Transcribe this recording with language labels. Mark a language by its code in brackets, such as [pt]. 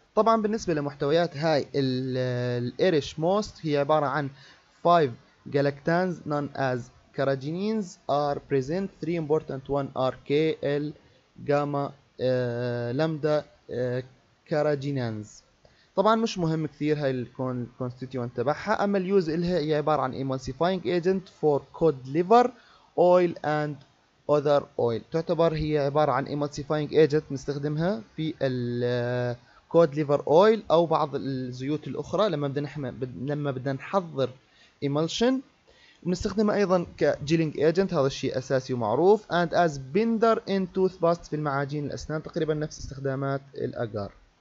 [ar] طبعا بالنسبة لمحتويات هاي الإيريش موست هي عبارة عن [en] 5 galactans known as carrageenans are present. Three important ones are KL, gamma, lambda, carrageenans. [ar] طبعا مش مهم كثير هاي الكونستيتيوانت تبعها. اما اليوز إلها هي عبارة عن [en] emulsifying agent for cod liver oil and other oil. [ar] تعتبر هي عبارة عن emulsifying agent نستخدمها في cod liver oil او بعض الزيوت الاخرى لما بدنا نحضر emulsion. بنستخدمها ايضا كجيلينج ايجنت، هذا الشيء اساسي ومعروف. [en] and as binder in toothpaste [ar] في المعاجين الاسنان، تقريبا نفس استخدامات الاجار.